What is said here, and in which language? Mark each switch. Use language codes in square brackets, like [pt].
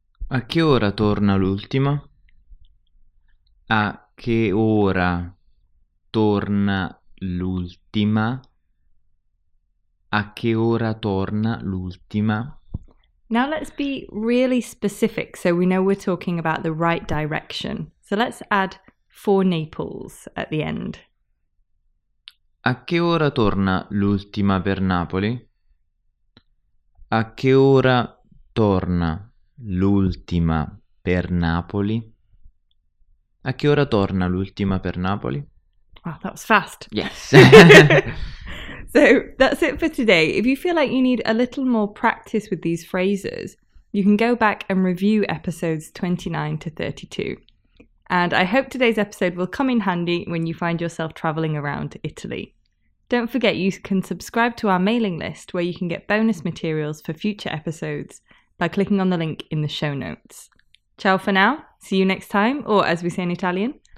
[it] A che ora torna l'ultima? A che ora torna l'ultima? A che ora torna l'ultima? [en] Now let's be really specific so we know we're talking about the right direction. So let's add for Naples at the end. [it] A che ora torna l'ultima per Napoli? A che ora torna l'ultima per Napoli? A che ora torna l'ultima per Napoli? [en] Wow, that was fast. Yes. So that's it for today. If you feel like you need a little more practice with these phrases, you can go back and review episodes 29 to 32. And I hope today's episode will come in handy when you find yourself traveling around Italy. Don't forget you can subscribe to our mailing list where you can get bonus materials for future episodes by clicking on the link in the show notes. Ciao for now. See you next time, or as we say in Italian,